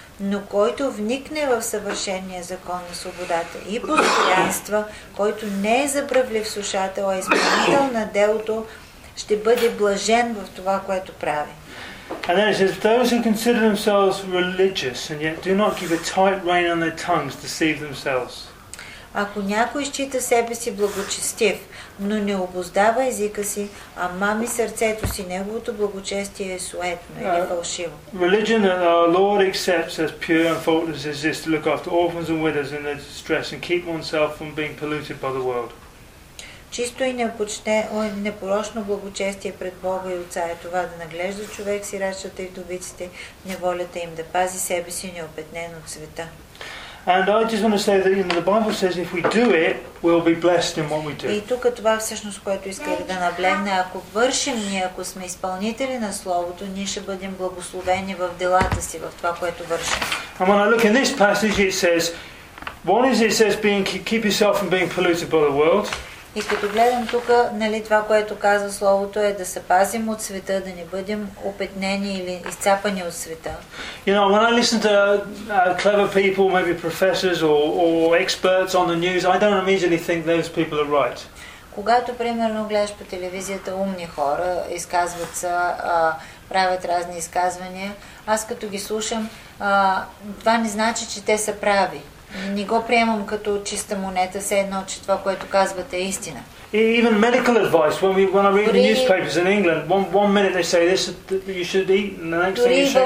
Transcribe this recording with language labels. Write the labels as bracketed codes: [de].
[bg] Но който вникне в съвършения закон на свободата и постоянства, който не е забравлив слушател, а изпълнител на делото, ще бъде блажен в това, което прави. [en] And then it says, those who consider themselves religious and yet do not give a tight rein on their tongues deceive themselves. [bg] Ако някой счита себе си благочестив, но не обоздава езика си, а мами сърцето си, неговото благочестие е суетно или фалшиво. [en] Religion that our Lord accepts as pure and faultless is this, to look after orphans and widows in their distress and keep oneself from being polluted by the world. [bg] Чисто и непорочно благочестие пред Бога и Отца е това да наглежда човек сирачата и вдовиците, неволята им, да пази себе си неопетнен от света. [en] And I just want to say that, you know, the Bible says if we do it, we'll be blessed in what we do. [bg] И тук това всъщност, което исках да наблегна, ако вършим ние, ако сме изпълнители на Словото, ние ще бъдем благословени в делата си, в това, което вършим. [en] And when I look in this passage, it says, one is it says, keep yourself from being polluted by the world. [bg] И като гледам тук, нали, това, което казва Словото, е да се пазим от света, да не бъдем опетнени или изцапани от света. [en] You know, when I listen to clever people, maybe professors or experts on the news, I don't immediately think those people are right. [bg] Когато, примерно, гледаш по телевизията умни хора, изказват се, правят разни изказвания, аз като ги слушам, това не значи, че те са прави. Не го приемам като чиста монета, все едно, че това, което казвате, е истина. [en] Even medical advice, when I read the newspapers in England, one minute they say this, you should eat, and the next thing you should